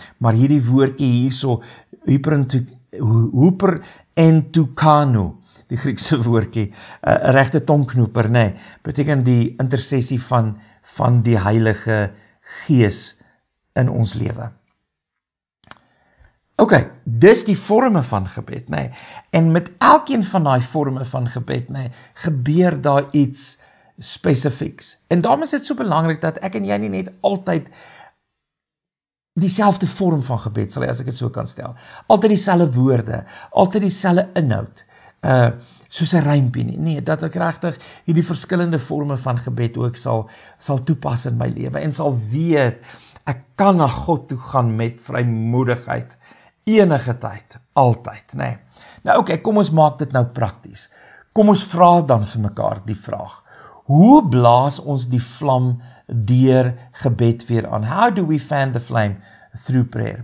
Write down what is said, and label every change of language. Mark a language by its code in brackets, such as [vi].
[af] Maar hierdie woordjie hierso huperintoukano, die Griekse woordjie, 'n regte tongknoper, nê, beteken die intercessie van die Heilige Gees in ons lewe. OK, dis die vorme van gebed, nê. En met elkeen van daai vorme van gebed, nê, gebeur daar iets spesifieks. En daarom is dit so belangrik dat ek en jy nie net altyd dieselfde vorm van gebed sal hê, as ek dit so kan stel. Altyd dieselfde woorde, altyd dieselfde inhoud, soos 'n rympie nie. Nee, dat ek regtig hierdie verskillende vorme van gebed ook sal toepas in my lewe en sal weet ek kan na God toe gaan met vrymoedigheid, enige tyd, altyd, nê. Nee. Nou, oké, kom ons maak dit nou prakties. Kom ons vra dan vir mekaar die vraag. Hoe blaas ons die vlam deur gebed weer aan? [en] How do we fan the flame through prayer?